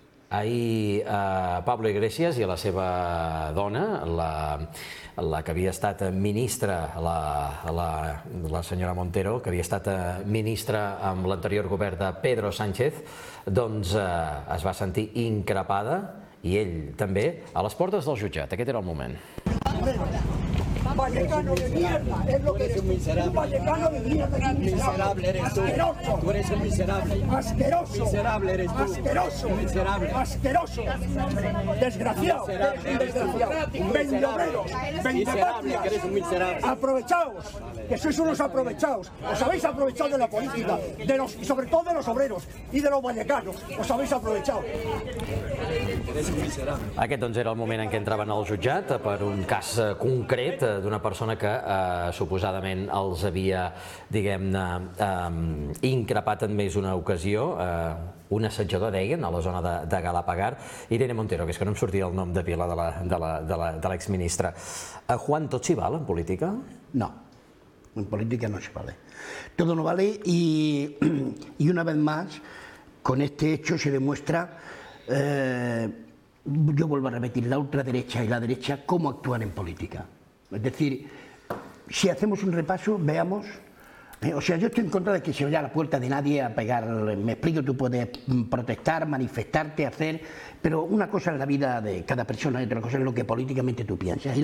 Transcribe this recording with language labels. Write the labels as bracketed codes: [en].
[ca] Ahir Pablo Iglesias i la seva dona, la que havia estat ministra, la senyora Montero, que havia estat ministra amb l'anterior govern de Pedro Sánchez, doncs es va sentir increpada, i ell també, a les portes del jutjat. Aquest era el moment. [es] Vallecano de mierda, es lo que eres. Un vallecano de mierda. Miserable eres tú. Asqueroso. Tú eres un miserable. Asqueroso. Miserable eres tú. Asqueroso. Miserable. Asqueroso. Desgraciado. Desgraciado. Vende obreros. Vende patria. Aprovechaos. Que sois unos aprovechados. Os habéis aprovechado de la política. De los, y sobre todo de los obreros. Y de los vallecanos. Os habéis aprovechado. Eres un miserable. [ca] Aquest doncs era el moment en què entraven al jutjat per un cas concret d'una persona que suposadament els havia, diguem-ne, increpat en més d'una ocasió, un assetjador, deien, a la zona de Galapagar. Irene Montero, que és que no em sortia el nom de pila de l'exministra. Juan, tot s'hi val en política? No, en política no s'hi vale. [es] Todo no vale y una vez más, con este hecho se demuestra, yo vuelvo a repetir, la ultraderecha y la derecha, cómo actúan en política. Es decir, si hacemos un repaso, veamos, o sea, yo estoy en contra de que se vaya a la puerta de nadie a pegar, me explico, tú puedes protestar, manifestarte, hacer, pero una cosa es la vida de cada persona y otra cosa es lo que políticamente tú piensas.